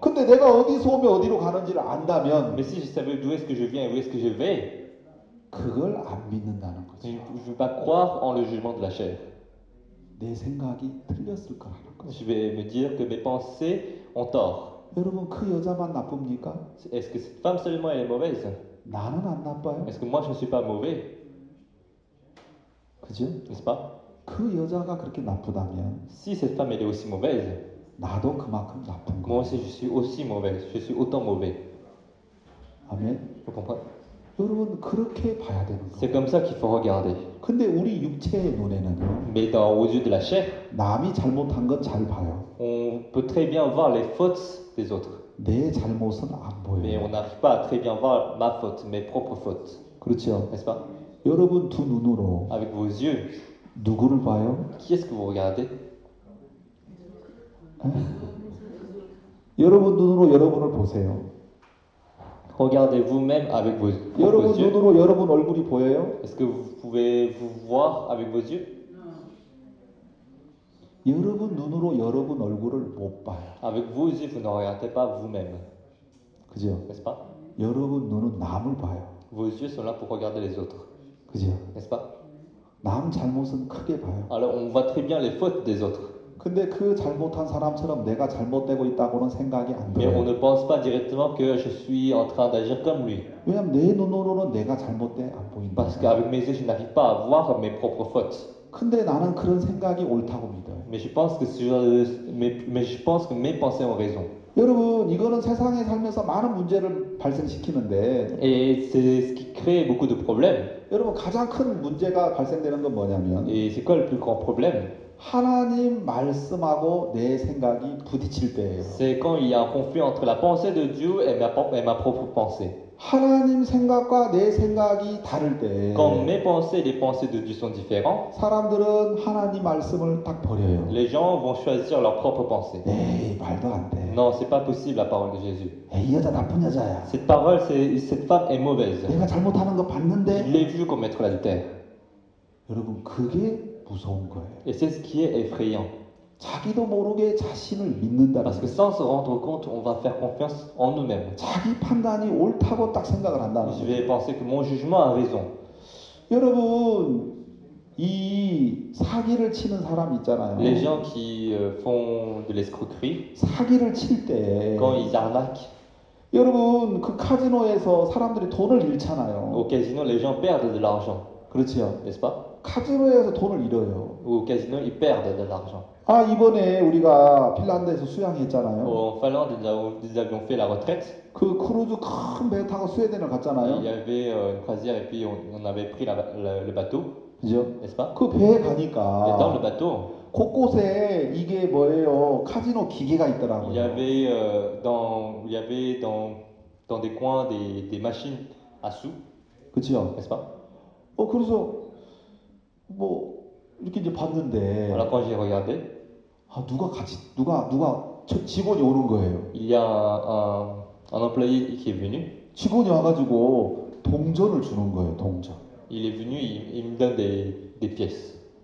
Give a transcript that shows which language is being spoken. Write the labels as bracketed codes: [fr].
[ko] 근데 내가 어디서 오면 어디로 가는지를 안다면, [fr] Mais si je savais d'où est-ce que je viens et où est-ce que je vais, [ko] 그걸 안 믿는다는 거죠. [fr] Je ne peux pas croire en le jugement de la chair. [ko] 내 생각이 틀렸을 거라는 거죠. [fr] Je vais me dire que mes pensées ont tort. [ko] 여러분, 그 여자만 나쁩니까? [fr] Est-ce que cette femme seulement elle est mauvaise? [ko] 나는 안 나빠요. [fr] Est-ce que moi je ne suis pas mauvais? [ko] 그죠? [fr] N'est-ce pas? [ko] 그 여자가 그렇게 나쁘다면 [fr] Si cette femme est aussi mauvaise, [ko] 나도 그만큼 나쁜 거. [fr] Moi aussi je suis aussi mauvais. Je suis autant mauvais. Amen. [ko] 여러분 그렇게 봐야 되는 거예요. [fr] C'est comme ça qu'il faut regarder. [ko] 근데 우리 육체의 눈에는요. [fr] Mais dans les yeux de la chair, [ko] 남이 잘못한 건 잘 봐요. [fr] On peut très bien voir les fautes des autres. [ko] 내 잘못은 안 보여요. [fr] Mais on n'arrive pas à très bien voir ma faute, mes propres fautes. [ko] 그렇죠? [fr] N'est-ce pas? [ko] 여러분 두 눈으로 [fr] Avec vos yeux, [ko] 누구를 봐요? [fr] Qui est-ce que vous regardez? [ko] 여러분 눈으로 여러분을 보세요. [fr] Regardez vous-même avec vos [ko] 여러분 [fr] vos [ko] 눈으로 [fr] yeux. [ko] 여러분 얼굴이 보여요? [fr] Est-ce que vous pouvez vous voir avec vos yeux? [ko] 여러분 눈으로 여러분 얼굴을 못 봐요. [fr] Avec vos yeux, vous ne regardez pas vous-même. [ko] 그죠? [fr] N'est-ce pas? [ko] 여러분 눈은 남을 봐요. [fr] Vos yeux sont là pour regarder les autres. [ko] 그죠? [fr] N'est-ce pas? [ko] 남 잘못은 크게 봐요. [fr] Alors on voit très bien les fautes des autres. [ko] 근데 그 잘못한 사람처럼 내가 잘못되고 있다고는 생각이 안 들어요. [fr] Mais on ne pense pas directement que je suis en train d'agir comme lui. [ko] 왜냐면 내 눈으로는 내가 잘못돼 안 보인다. [fr] Parce qu'avec mes yeux, je n'arrive pas à voir mes propres fautes. [ko] 근데 나는 그런 생각이 옳다고 믿어요. [fr] Mais je pense que mes pensées ont raison. [ko] 여러분, 이거는 세상에 살면서 많은 문제를 발생시키는데 [fr] Et c'est ce qui crée beaucoup de problèmes. [ko] 여러분, 가장 큰 문제가 발생되는 건 뭐냐면 [fr] Et c'est quoi le plus grand problème? [ko] 하나님 말씀하고 내 생각이 부딪힐 때예요. [fr] C'est quand il y a un conflit entre la pensée de Dieu et ma propre pensée. [ko] 하나님 생각과 내 생각이 다를 때 [fr] Quand mes pensées et les pensées de Dieu sont différents [ko] 사람들은 하나님 말씀을 딱 버려요. [fr] Les gens vont choisir leur propre pensée. [ko] 에이, 말도 안 돼. [fr] Non, c'est pas possible la parole de Jésus. [ko] 에이, 여자 나쁜 여자야. [fr] Cette parole, cette femme est mauvaise. [ko] 내가 잘못하는 거 봤는데 [fr] Je l'ai vu commettre l'adultère. [ko] 여러분, 그게 무서운 거예요. [fr] Et c'est ce qui est effrayant. [ko] 자기도 모르게 자신을 믿는다. [fr] Parce que sans se rendre compte, on va faire confiance en nous-mêmes. [ko] 자기 판단이 옳다고 딱 생각을 한다. [fr] Je vais penser que mon jugement a raison. [ko] 여러분, 이 사기를 치는 사람 있잖아요. [fr] Les gens qui font de l'escroquerie. [ko] 사기를 칠 때. [fr] Quand ils arnaquent. [ko] 여러분, 그 카지노에서 사람들이 돈을 잃잖아요. [fr] Au casino, les gens perdent de l'argent. [ko] 그렇지요. [fr] N'est-ce pas? [ko] 카지노에서 돈을 잃어요. [fr] Au casino, ils perdent de l'argent. [ko] 아 이번에 우리가 핀란드에서 수양했잖아요. [fr] En Finlande, nous avions fait la retraite. [ko] 그 크루즈 큰 배 타고 스웨덴을 갔잖아요. [fr] Il y avait une croisière et puis on avait pris le bateau. [ko] 그죠? [fr] N'est-ce pas? [ko] 그 배에 가니까. [fr] Et dans le bateau. [ko] 곳곳에 이게 뭐예요? 카지노 기계가 있더라고요. [fr] Il y avait dans des coins des machines à sous. [ko] 그죠? [fr] N'est-ce pas? [ko] 어 그래서 뭐. 이렇게 이제 봤는데. 알아까지 regardé. 아 누가 같이 누가 저 직원이 오는 거예요. [fr] Il y a un employé qui est venu. [ko] 직원이 와가지고 동전을 주는 거예요. 동전. [fr] Il est venu, il me donne des pièces.